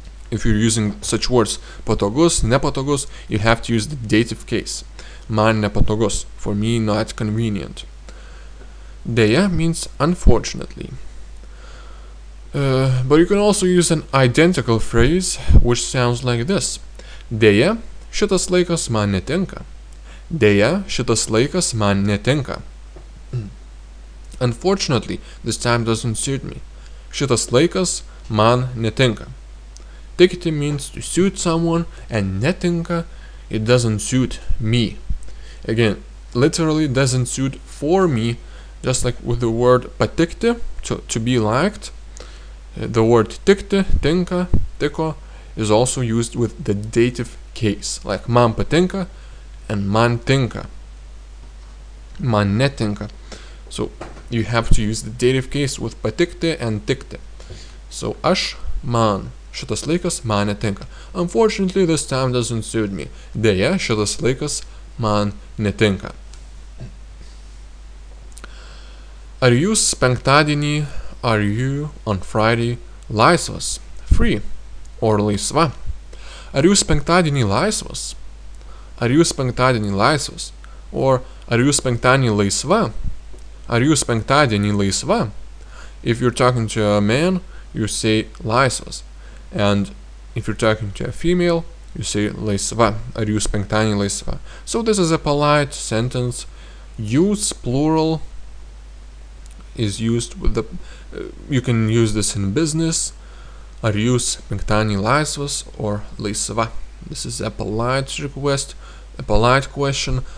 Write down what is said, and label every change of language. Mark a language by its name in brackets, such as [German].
[English] If you're using such words, patogus, nepatogus, you have to use the dative case. [Lithuanian] Man nepatogus, [English] for me, not convenient. Deja means unfortunately. But you can also use an identical phrase, which sounds like this. [Lithuanian] Deja, šitas laikas man netinka. Deja, šitas laikas man netinka. [English] Unfortunately, this time doesn't suit me. [Lithuanian] Šitas laikas man netinka. [English] Tikti means to suit someone, and netinka, it doesn't suit me. Again, literally doesn't suit for me, just like with the word patikti, to be liked. The word tikti, tinka, tiko, is also used with the dative case, like [Lithuanian] man patinka [English] and [Lithuanian] man tinka, man netinka. [English] So you have to use the dative case with patikti and tikti. So [Lithuanian] aš man, šitas laikas man netinka. [English] Unfortunately, this time doesn't suit me. [Lithuanian] Deja, šitas laikas man netinka. Ar jūs penktadienį, [English] are you on Friday laisvas, free, or laisva? [Lithuanian] Ar jūs penktadienį laisvas? Ar jūs penktadienį laisvas? Or, ar jūs penktadienį laisva? Ar jūs penktadienį laisva? [English] If you're talking to a man, you say laisvas. And if you're talking to a female, you say laisva. [Lithuanian] Ar jūs penktadienį laisva? [English] So this is a polite sentence. Use plural is used with the... you can use this in business. [Lithuanian] Ar jūs penktadienį laisvas [English] or laisva? This is a polite request, a polite question.